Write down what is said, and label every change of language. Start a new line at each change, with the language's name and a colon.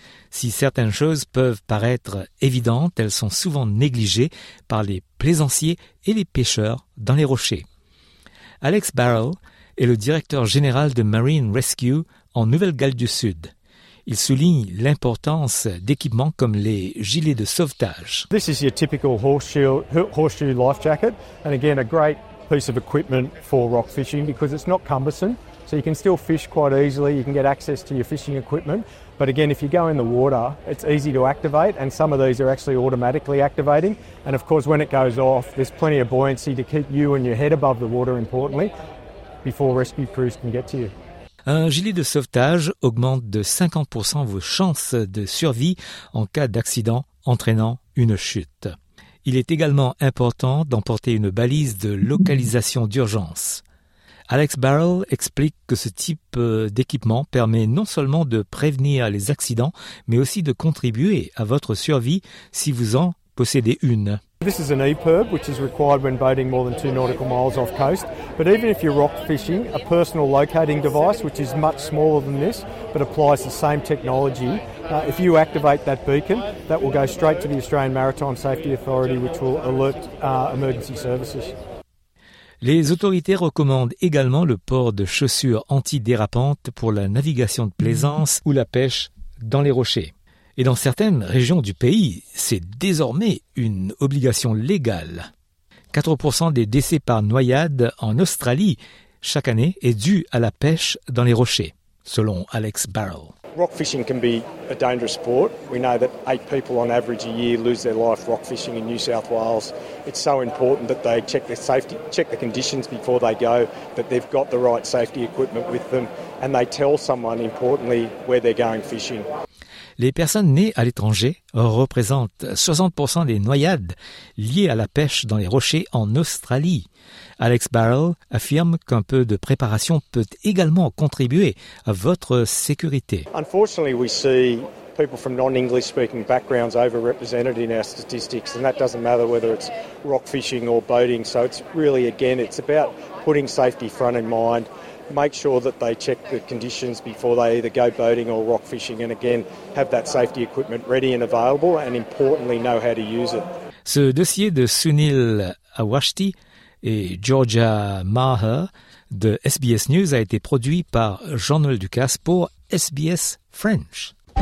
French: Si certaines choses peuvent paraître évidentes, elles sont souvent négligées par les plaisanciers et les pêcheurs dans les rochers. Alex Barrow est le directeur général de Marine Rescue en Nouvelle-Galles du Sud. Il souligne l'importance d'équipements comme les gilets de sauvetage.
English: This is your typical horseshoe life jacket, and again a great piece of equipment for rock fishing because it's not cumbersome, so you can still fish quite easily. You can get access to your fishing equipment, but again, if you go in the water, it's easy to activate, and some of these are actually automatically activating. And of course, when it goes off, there's plenty of buoyancy to keep you and your head above the water. Importantly, before rescue crews can get to you.
French: Un gilet de sauvetage augmente de 50% vos chances de survie en cas d'accident entraînant une chute. Il est également important d'emporter une balise de localisation d'urgence. Alex Barrow explique que ce type d'équipement permet non seulement de prévenir les accidents, mais aussi de contribuer à votre survie si vous en possédez une.
English: This is an EPIRB, which is required when boating more than 2 nautical miles off coast. But even if you're rock fishing, a personal locating device, which is much smaller than this, but applies the same technology, if you activate that beacon, that will go straight to the Australian Maritime Safety Authority, which will alert emergency services.
French: Les autorités recommandent également le port de chaussures antidérapantes pour la navigation de plaisance ou la pêche dans les rochers. Et dans certaines régions du pays, c'est désormais une obligation légale. 4% des décès par noyade en Australie chaque année est dû à la pêche dans les rochers, selon Alex Barrow.
English: Rock fishing can be a dangerous sport. We know that 8 people on average a year lose their life rock fishing in New South Wales. It's so important that they check their safety, check the conditions before they go, that they've got the right safety equipment with them, and they tell someone importantly where they're going fishing.
French: Les personnes nées à l'étranger représentent 60% des noyades liées à la pêche dans les rochers en Australie. Alex Barrow affirme qu'un peu de préparation peut également contribuer à votre sécurité.
English: Unfortunately, we see people from non-English speaking backgrounds overrepresented in our statistics, and that doesn't matter whether it's rock fishing or boating. So it's really, again, it's about putting safety front in mind. Make sure that they check the conditions before they either go boating or rock fishing, and again have that safety equipment ready and available, and importantly know how to use it.
French: Ce dossier de Sunil Awashti et Georgia Maher de SBS News a été produit par Jean-Noël Ducasse pour SBS French.